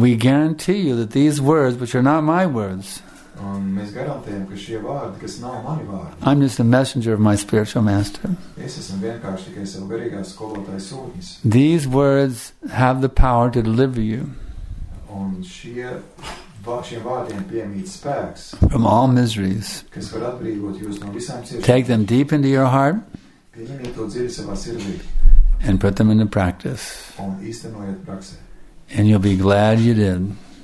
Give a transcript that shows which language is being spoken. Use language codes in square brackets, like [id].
[en] We guarantee you that these words, which are not my words, [lv] un mēs garantējam, ka šie vārdi, kas nav mani vārdi, [en] I'm just a messenger of my spiritual master. [lv] Es esmu vienkārši tikai savu garīgās skolotājs sūtnis. [en] These words have the power to deliver you. [lv] Un šiem vārdiem piemīt spēks. [en] From all miseries. [lv] Kas var atbrīvot jūs no visām ciešanām. [en] Take them deep into your heart. And put them into practice. And you'll be glad you did.